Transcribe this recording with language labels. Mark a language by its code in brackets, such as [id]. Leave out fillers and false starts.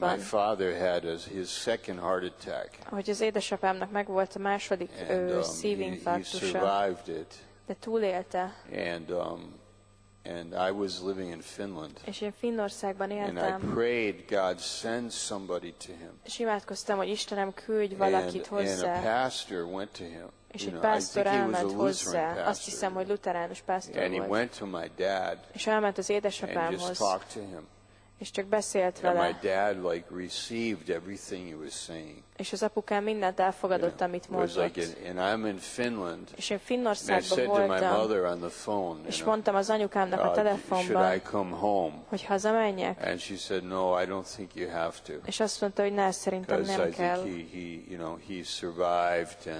[en] My father had his second heart attack. [hu] Hogy az édesapámnak megvolt a második szívinfarktusa. [en] He survived it. [hu] De túlélte. [en] And I was living in Finland. [hu] És én Finnországban éltem. [en] And I prayed God send somebody to him. [hu] És imádkoztam, hogy Istenem küldj valakit hozzá. [en] And a pastor went to him. [hu] És egy pásztor elment hozzá. Azt hiszem, hogy luteránus pásztor volt. [en] And he went to my dad. [hu] És elment az édesapámhoz. [en] And just talked to him. [hu] És csak beszélt vele. [en] And my dad like received everything he was saying. [hu] És az apukám mindent elfogadott, amit mondott. [en] And I'm in Finland. [hu] És én Finnországban voltam. [en] And I said to my mother on the phone. [hu] És mondtam az anyukámnak a telefonban. [en] Should I come home? [hu] Hogy hazamenjek? [en] And she said, no, I don't think you have to. [hu] És azt mondta, hogy ne, szerintem nem kell. [en] Because I think he survived.